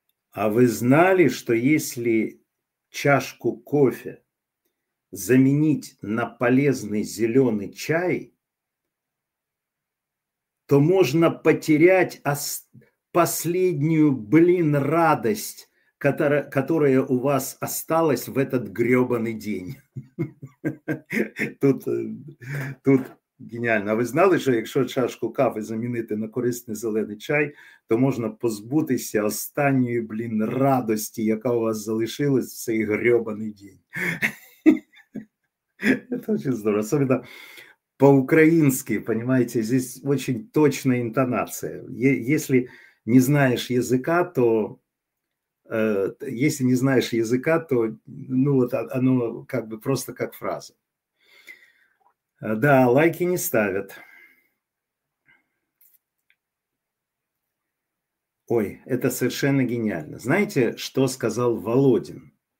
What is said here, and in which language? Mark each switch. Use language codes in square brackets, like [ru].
[ru] А вы знали, что если чашку кофе заменить на полезный зеленый чай, то можно потерять последнюю, блин, радость, которая у вас осталась в этот гребаный день. [uk] Тут гениально. А вы знали, что если чашку кави заменить на корисний зелений чай, то можно позбутися останньої, блін, радості, яка у вас залишилась в цей гребаний день? Це дуже здорово. Особливо по-українськи, розумієте, тут дуже точна інтонація. Якщо не знаєш язика, то... [ru] Если не знаешь языка, то ну вот оно как бы просто как фраза. Да, лайки не ставят. Ой, это совершенно гениально. Знаете, что сказал Володин?